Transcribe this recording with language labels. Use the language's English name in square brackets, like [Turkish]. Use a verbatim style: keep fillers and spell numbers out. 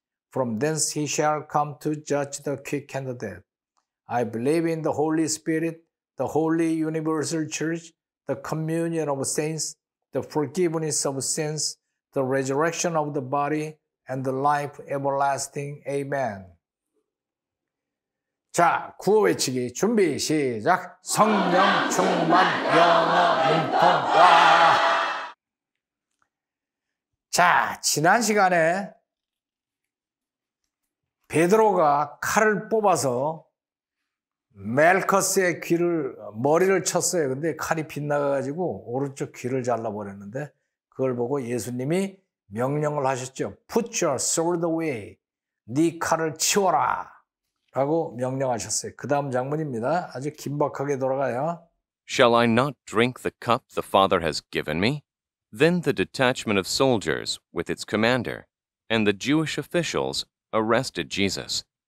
[English] From thence He shall come to judge the quick and the dead. I believe in the Holy Spirit, the Holy Universal Church, the communion of saints, the forgiveness of sins, the resurrection of the body, and the life everlasting. Amen. [Korean] 자, 구호 외치기 준비 시작! 성령 충만 영어 능통과. 자, 지난 시간에 베드로가 칼을 뽑아서 멜커스의 귀를, 머리를 쳤어요. 근데 칼이 빗나가가지고 오른쪽 귀를 잘라버렸는데 그걸 보고 예수님이 명령을 하셨죠. [English] Put your sword away. [Korean] 네 칼을 치워라. 라고 명령하셨어요. 그 다음 장문입니다. 아주 긴박하게 돌아가요. [English] Shall I not drink the cup the Father has given me? Then the detachment of soldiers with its commander and the Jewish officials arrested Jesus.